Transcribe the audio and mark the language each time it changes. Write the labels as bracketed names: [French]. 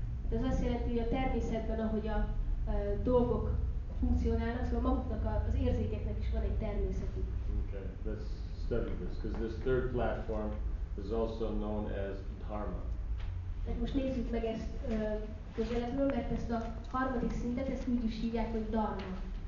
[Hungarian] Ez azt jelenti, hogy a természetben, ahogy a dolgok funkcionálnak, szóval maguknak az érzékeknek is van egy természetük. [English] Okay, let's study this because this third platform is also known as dharma. [Hungarian] Most nézzük meg ezt közelebbről, mert ezt a harmadik szintet ezt úgy is hívják, hogy dharma.